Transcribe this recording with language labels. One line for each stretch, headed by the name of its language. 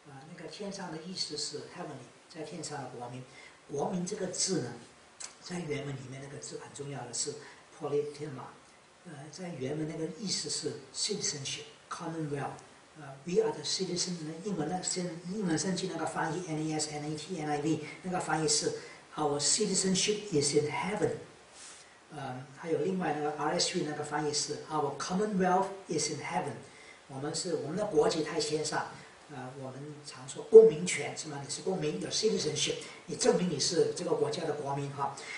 Chinese: 那个天上的意思是 heavenly，在天上的国民。国民这个字呢，在原文里面那个字很重要的是 politeia，在原文那个意思是 citizenship，commonwealth。
English: We are the citizen。
Chinese: 英文圣经那个翻译 NASNATNIV 那个翻译是
English: our citizenship is in heaven。
Chinese: 还有另外那个 RSV 那个翻译是
English: our commonwealth is in heaven。
Chinese: 我们的国籍在天上。我们常说公民权是吗？你是公民，
English: your citizenship，
Chinese: 你证明你是这个国家的国民哈。